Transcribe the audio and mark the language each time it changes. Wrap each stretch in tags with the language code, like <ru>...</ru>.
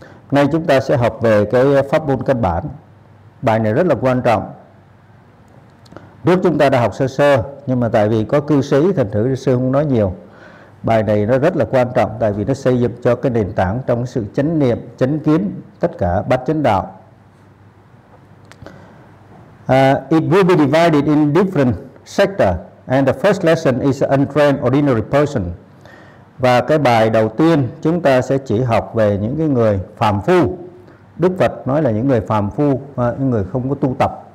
<vi>Nay chúng ta sẽ học về cái pháp môn căn bản. Bài này rất là quan trọng. Trước chúng ta đã học sơ sơ, nhưng mà tại vì có cư sĩ thành thử sư không nói nhiều. Bài này nó rất là quan trọng tại vì nó xây dựng cho cái nền tảng trong sự chánh niệm, chánh kiến, tất cả bát chánh đạo.</vi> <en>It will be divided in different sector, and the first lesson is an untrained ordinary person.</en> <vi>Và cái bài đầu tiên chúng ta sẽ chỉ học về những cái người phàm phu. Đức Phật nói là những người phàm phu, những người không có tu tập.</vi>